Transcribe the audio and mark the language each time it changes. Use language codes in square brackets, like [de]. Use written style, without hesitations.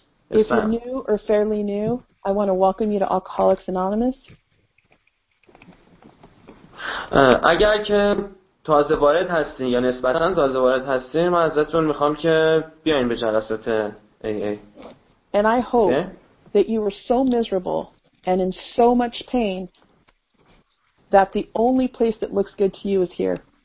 [en] If you're new or fairly new, I want to welcome you to Alcoholics Anonymous. [fa] اگر که تازه وارد هستین یا نسبتاً تازه وارد هستین، من ازتون میخوام که بیاین به جلسات AA. [en] And I hope that you were so miserable and in so much pain that the only place that looks good to you is here.